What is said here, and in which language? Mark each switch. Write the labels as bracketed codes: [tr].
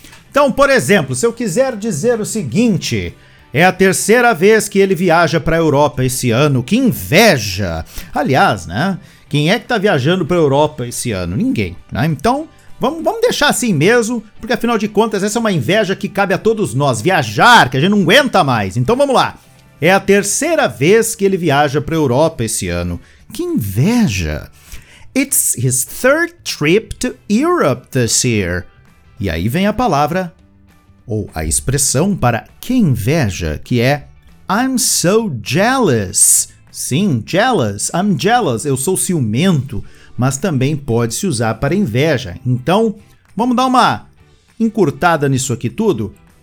[pt] Então, por exemplo, se eu quiser dizer o seguinte, é a terceira vez que ele viaja para a Europa esse ano, que inveja! Aliás, né? Quem é que tá viajando para a Europa esse ano? Ninguém, né? Então, vamos deixar assim mesmo, porque afinal de contas, essa é uma inveja que cabe a todos nós, viajar, que a gente não aguenta mais. Então, vamos lá. É a terceira vez que ele viaja para a Europa esse ano. Que inveja! [en] It's his third trip to Europe this year. [pt] E aí vem a palavra, ou a expressão para que inveja, que é [en] I'm so jealous. [pt] Sim, jealous, [en] I'm jealous, [pt] eu sou ciumento, mas também pode se usar para inveja. Então, vamos dar uma encurtada nisso aqui tudo?